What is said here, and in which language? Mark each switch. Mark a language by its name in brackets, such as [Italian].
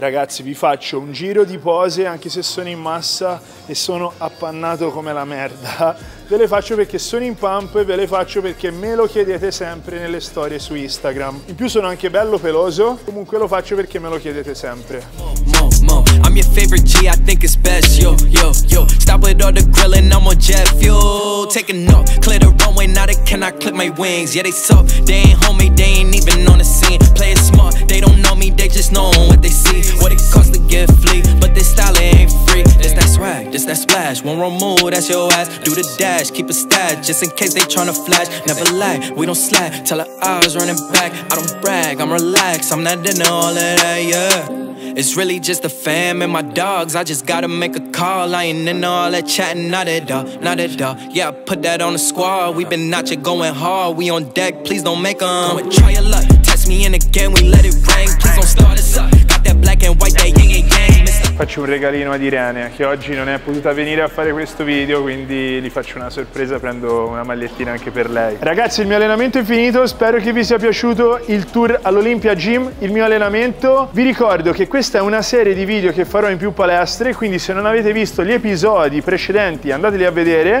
[Italian] Ragazzi, vi faccio un giro di pose, anche se sono in massa e sono appannato come la merda. Ve le faccio perché sono in pump e ve le faccio perché me lo chiedete sempre nelle storie su Instagram. In più sono anche bello peloso, comunque lo faccio perché me lo chiedete sempre. [English] I'm your favorite G, I think it's best, yo, yo, yo. Stop with all the grilling, I'm on jet fuel. Taking off, clear the runway, now they cannot clip my wings. Yeah, they soft, they ain't homie, they ain't even on the scene. Play it smart, they don't know me, they just know what they see. What it cost to get flea, but this style ain't free. This that swag, this that splash, one wrong move, that's your ass. Do the dash, keep a stash, just in case they tryna flash. Never lag, we don't slack, tell her eyes running back. I don't brag, I'm relaxed, I'm not into all of that, yeah. It's really just the fam and my dogs. I just gotta make a call. I ain't in all that chatting, not at all, not at all. Yeah, I put that on the squad. We been out here going hard. We on deck, please don't make 'em. Go and try your luck. Test me in again, we let it rain. Please don't start us up. Got that black and white, that yin and yang. [Italian] Faccio un regalino ad Irene, che oggi non è potuta venire a fare questo video, quindi gli faccio una sorpresa, prendo una magliettina anche per lei. Ragazzi, il mio allenamento è finito, spero che vi sia piaciuto il tour all'Olympia Gym, il mio allenamento. Vi ricordo che questa è una serie di video che farò in più palestre, quindi se non avete visto gli episodi precedenti andateli a vedere.